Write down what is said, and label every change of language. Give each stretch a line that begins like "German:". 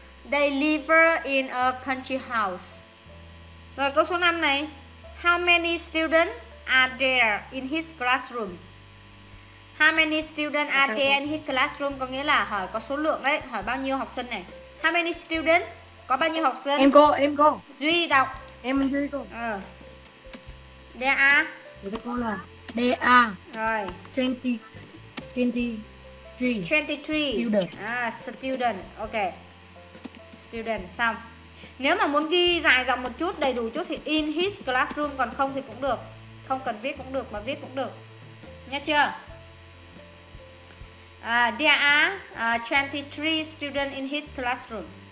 English: They live in a country house.
Vietnamese: Rồi câu số 5 này.
English: How many students are there in his classroom? How many students are there in his classroom?
Vietnamese: Có nghĩa là hỏi có số lượng đấy, hỏi bao nhiêu học sinh này.
English: How many students?
Vietnamese: Có bao nhiêu học sinh? Em cô. Duy đọc. Em Duy cô.
English: There are.
Vietnamese: Để cô là.
English: There are.
Vietnamese: Rồi.
English: 23. Student. Student. Okay. Student. Xong.
Vietnamese: Nếu mà muốn ghi dài dòng một chút, đầy đủ chút thì
English: in his classroom,
Vietnamese: còn không thì cũng được. Không cần viết cũng được mà viết cũng được. Nhớ chưa?
English: There are 23 students in his classroom.